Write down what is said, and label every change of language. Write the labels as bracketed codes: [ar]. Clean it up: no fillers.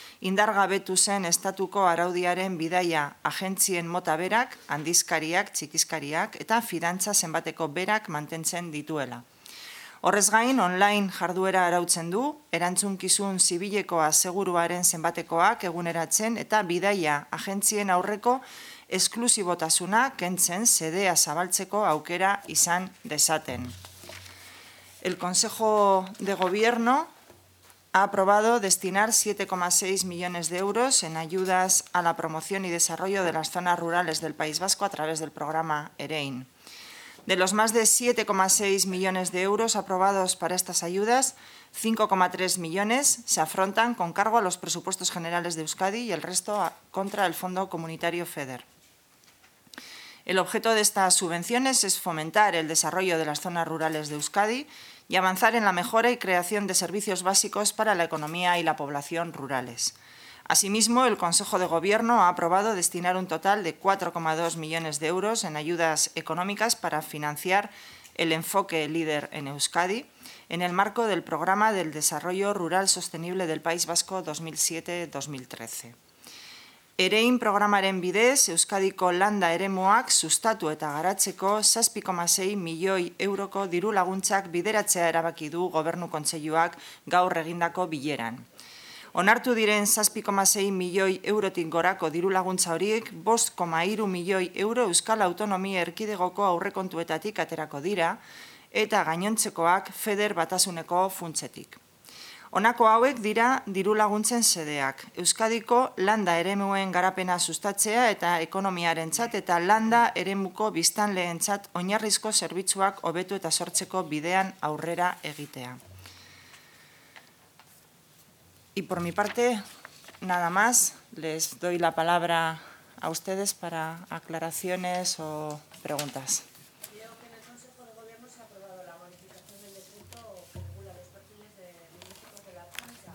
[eu] Indargabetu zen estatuko araudiaren bidaia agentzien mota berak, handizkariak, txikizkariak eta fidantza zenbateko berak mantentzen dituela. Horrez gain, online jarduera arautzen du, erantzunkizun zibileko aseguruaren zenbatekoak eguneratzen eta bidaia agentzien aurreko esklusibotasuna kentzen sedea zabaltzeko aukera izan dezaten. [es] El Consejo de Gobierno ha aprobado destinar 7,6 millones de euros en ayudas a la promoción y desarrollo de las zonas rurales del País Vasco a través del programa EREIN. De los más de 7,6 millones de euros aprobados para estas ayudas, 5,3 millones se afrontan con cargo a los presupuestos generales de Euskadi y el resto contra el Fondo Comunitario FEDER. El objeto de estas subvenciones es fomentar el desarrollo de las zonas rurales de Euskadi y avanzar en la mejora y creación de servicios básicos para la economía y la población rurales. Asimismo, el Consejo de Gobierno ha aprobado destinar un total de 4,2 millones de euros en ayudas económicas para financiar el enfoque líder en Euskadi en el marco del Programa del Desarrollo Rural Sostenible del País Vasco 2007-2013. [eu] EREIN programaren bidez, Euskadiko landa eremuak sustatu eta garatzeko 6,6 milioi euroko diru laguntzak bideratzea erabaki du Gobernu Kontseiluak gaur egindako bileran. Onartu diren 6,6 milioi eurotik gorako diru laguntza horiek, 5,3 milioi euro Euskal Autonomia Erkidegoko aurrekontuetatik aterako dira, eta gainontzekoak FEDER batasuneko funtsetik. Honako hauek dira diru laguntzen sedeak, Euskadiko landa eremuen garapena sustatzea eta ekonomiaren txat eta landa eremuko biztanleen txat oinarrizko zerbitzuak hobetu eta sortzeko bidean aurrera egitea. [es] Y por mi parte, nada más, les doy la palabra a ustedes para aclaraciones o preguntas. Creo que en el Consejo de Gobierno se ha aprobado la modificación del decreto que regula los perfiles de municipios de la Ertzaintza.